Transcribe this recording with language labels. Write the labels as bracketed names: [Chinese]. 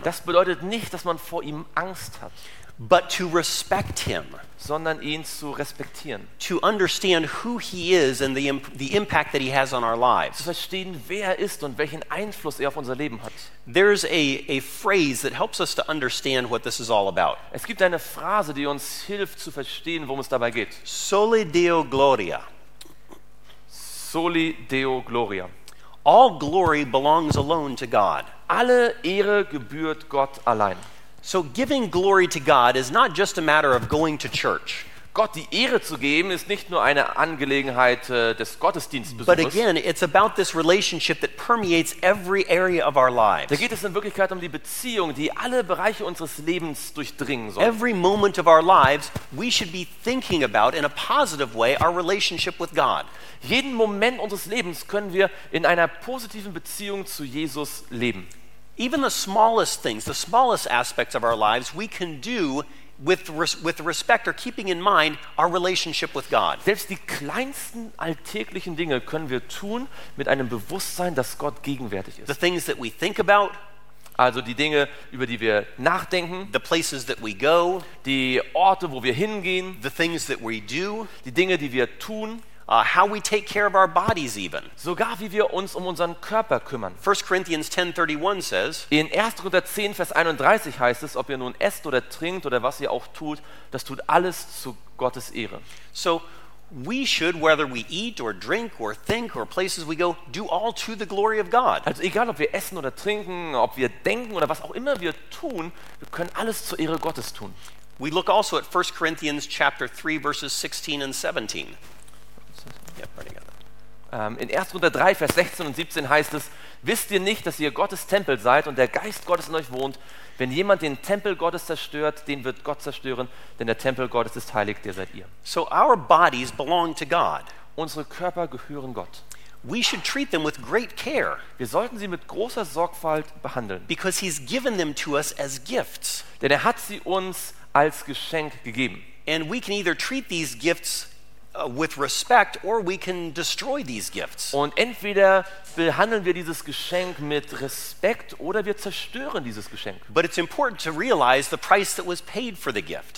[German] Das bedeutet nicht, dass man vor ihm Angst hat. [English] but to respect him, [German] sondern ihn zu respektieren, [English] to understand who he is and the impact that he has on our lives, [German] zu verstehen, wer er ist und welchen Einfluss er auf unser Leben hat. [English] There's a phrase that helps us to understand what this is all about. [German] Es gibt eine Phrase, die uns hilft zu verstehen, worum es dabei geht. [Latin] Soli Deo Gloria. Soli Deo Gloria. [English] All glory belongs alone to God. [German] Alle Ehre gebührt Gott allein. [English] So giving glory to God is not just a matter of going to church. [German] Gott die Ehre zu geben ist nicht nur eine Angelegenheit des Gottesdienstbesuches. [English] But again, it's about this relationship that permeates every area of our lives. [German] Da geht es in Wirklichkeit um die Beziehung, die alle Bereiche unseres Lebens durchdringen soll. [English] Every moment of our lives, we should be thinking about in a positive way our relationship with God. [German] Jeden Moment unseres Lebens können wir in einer positiven Beziehung zu Jesus leben. [English] Even the smallest things, the smallest aspects of our lives, we can do with respect or keeping in mind our relationship with God. [German] Selbst die kleinsten alltäglichen Dinge können wir tun mit einem Bewusstsein, dass Gott gegenwärtig ist. [English] The things that we think about, [German] also die Dinge, über die wir nachdenken, [English] the places that we go, [German] die Orte, wo wir hingehen, [English] the things that we do, [German] die Dinge, die wir tun, [English] how we take care of our bodies even. [German] Sogar wie wir uns um unseren Körper kümmern. [English] 1 Corinthians 10:31 says, [German] in 1. Korinther 10, Vers 31 heißt es, ob ihr nun esst oder trinkt oder was ihr auch tut, das tut alles zu Gottes Ehre. [English] So, we should, whether we eat or drink or think or places we go, do all to the glory of God. [German] Also egal, ob wir essen oder trinken, ob wir denken oder was auch immer wir tun, wir können alles zur Ehre Gottes tun. [English] We look also at 1 Corinthians chapter 3, verses 16 and 17. [German] In 1. Korinther 3, Vers 16 und 17 heißt es, wisst ihr nicht, dass ihr Gottes Tempel seid und der Geist Gottes in euch wohnt? Wenn jemand den Tempel Gottes zerstört, den wird Gott zerstören, denn der Tempel Gottes ist heilig, der seid ihr. [English] So our bodies belong to God. [German] Unsere Körper gehören Gott. [English] We should treat them with great care. [German] Wir sollten sie mit großer Sorgfalt behandeln. [English] Because he's given them to us as gifts. [German] Denn er hat sie uns als Geschenk gegeben. [English] And we can either treat these gifts with respect, or we can destroy these gifts. [German] Und entweder behandeln wir dieses Geschenk mit Respekt oder wir zerstören dieses Geschenk. [English] But it's important to realize the price that was paid for the gift.